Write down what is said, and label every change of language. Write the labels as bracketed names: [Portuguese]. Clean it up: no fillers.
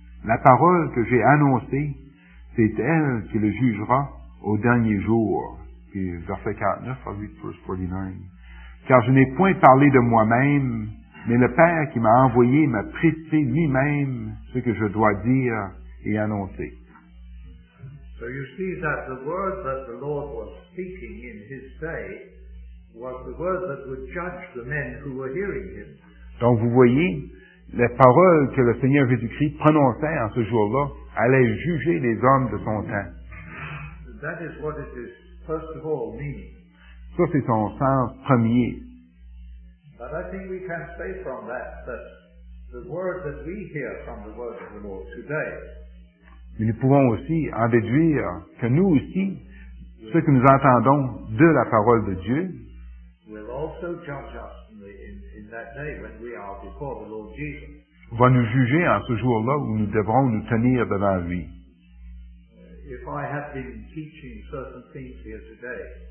[French] La parole que j'ai annoncée, c'est elle qui le jugera au dernier jour. Puis verset 49, [English] verse 49. [French] Car je n'ai point parlé de moi-même, mais le Père qui m'a envoyé m'a prêté lui-même ce que je dois dire et annoncer. [English] So you see that the word that the Lord was speaking in his day was the word that would judge the men who were hearing him. [French] Donc vous voyez, les paroles que le Seigneur Jésus-Christ prononçait en ce jour-là allaient juger les hommes de son temps. [English] That is what it is, first of all, meaning. [French] Ça, c'est son sens premier. [English] But I think we can say from that that the word that we hear from the word of the Lord today. [French] Mais nous pouvons aussi en déduire que nous aussi, ce que nous entendons de la parole de Dieu va nous juger en ce jour-là où nous devrons nous tenir devant lui. [English] If I have been teaching certain things here today,